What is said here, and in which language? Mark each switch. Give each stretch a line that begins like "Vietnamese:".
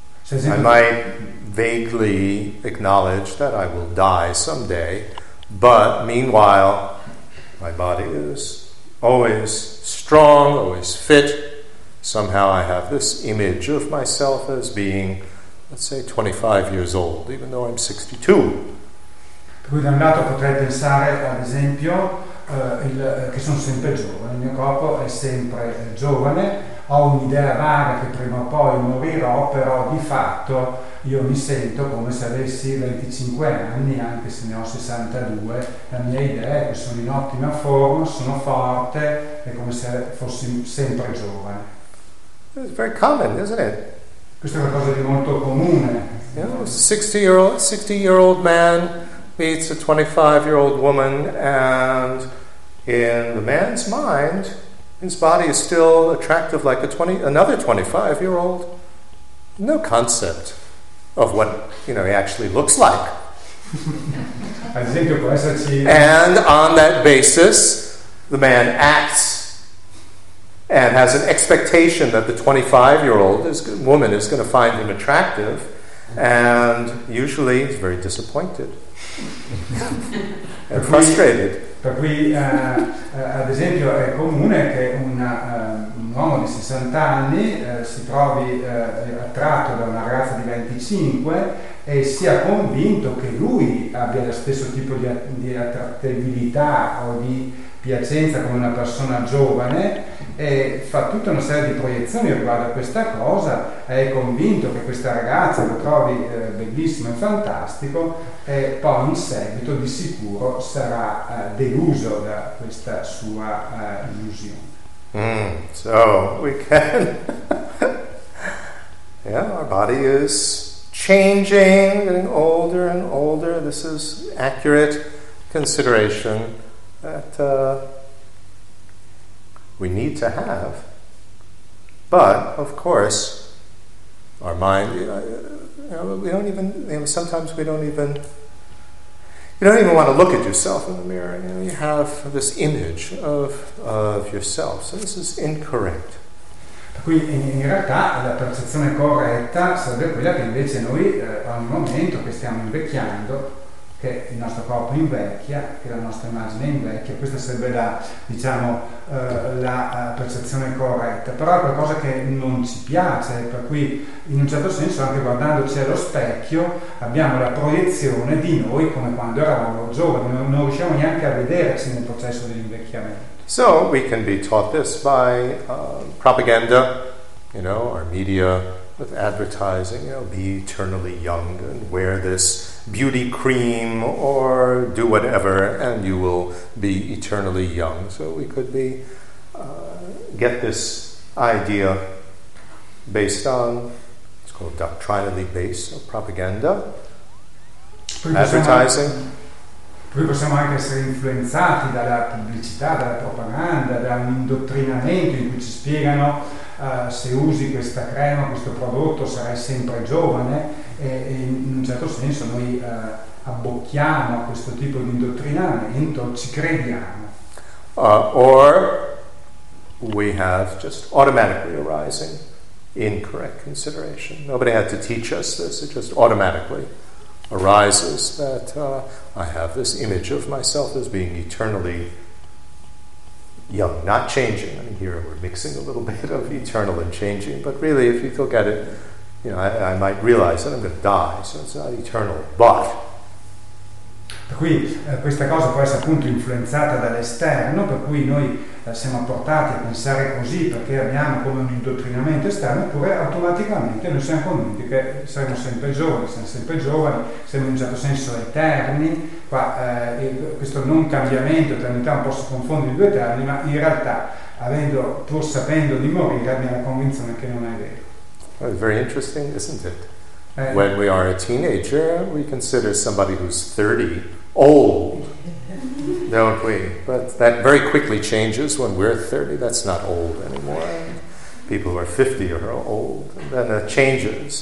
English: I might vaguely acknowledge that I will die someday, but meanwhile, my body is always strong, always fit. Somehow I have this image of myself as being, let's say, 25 years old, even though I'm 62.
Italian: Quindi un lato potrei pensare, ad esempio, che sono sempre giovane, il mio corpo è sempre giovane, ho un'idea vaga che prima o poi morirò, però di fatto io mi sento come se avessi 25 anni, anche se ne ho 62. La mia idea è che sono in ottima forma, sono forte, è come se fossi sempre giovane.
English: It's very common, isn't it?
Italian: Questa è una cosa di molto comune.
English: You know, a 60-year-old man meets a 25-year-old woman, and in the man's mind, his body is still attractive like another 25-year-old. No concept of what, you know, he actually looks like. And on that basis, the man acts and has an expectation that the 25-year-old woman is going to find him attractive, and usually he's very disappointed and frustrated.
Italian: Per cui, ad esempio, è comune che un uomo di 60 anni si trovi attratto da una ragazza di 25 e sia convinto che lui abbia lo stesso tipo di attrattività o di piacenza come una persona giovane, e fa tutta una serie di proiezioni riguardo a questa cosa, è convinto che questa ragazza lo trovi bellissimo e fantastico, e poi in seguito di sicuro sarà deluso da questa sua illusione.
English: So we can yeah, our body is changing, getting older and older. This is accurate consideration that we need to have. But of course, our mind, you don't even want to look at yourself in the mirror. You know, you have this image of yourself. So this is incorrect.
Italian: Quindi in realtà la percezione corretta sarebbe quella che invece noi al momento che stiamo invecchiando, che il nostro corpo invecchia, che la nostra immagine invecchia, questa sarebbe la, diciamo, la percezione corretta, però è qualcosa che non ci piace, per cui in un certo senso anche guardandoci allo specchio abbiamo la proiezione di noi come quando eravamo giovani, non riusciamo neanche a vederci nel processo dell'invecchiamento.
English: So we can be taught this by propaganda, you know, our media with advertising, you know, be eternally young and wear this beauty cream or do whatever and you will be eternally young. So we could be get this idea based on, it's called doctrinally based propaganda, advertising.
Italian: Poi possiamo anche essere influenzati dalla pubblicità, dalla propaganda, da un indottrinamento in cui ci spiegano se usi questa crema, questo prodotto, sarai sempre giovane, e in un certo senso noi abbocchiamo a questo tipo di indottrinamento, ci crediamo.
English: Or we have just automatically arising incorrect consideration. Nobody had to teach us this, it just automatically arises that I have this image of myself as being eternally young, not changing. I mean, here we're mixing a little bit of eternal and changing, but really, if you look at it, you know, I might realize that I'm going to die, so it's not eternal, but.
Italian: Per cui questa cosa può essere appunto influenzata dall'esterno, per cui noi siamo portati a pensare così perché abbiamo come un indottrinamento esterno, eppure automaticamente noi siamo convinti che saremo sempre giovani, siamo sempre giovani, siamo in un certo senso eterni. Qua questo non cambiamento, eternità, un po' si confonde i due termini, ma in realtà, avendo, pur sapendo di morire, abbiamo la convinzione che non è vero.
English: It's very interesting, isn't it? When we are a teenager, we consider somebody who's 30 old, don't we? But that very quickly changes when we're 30. That's not old anymore. And people who are 50 are old. And then it changes.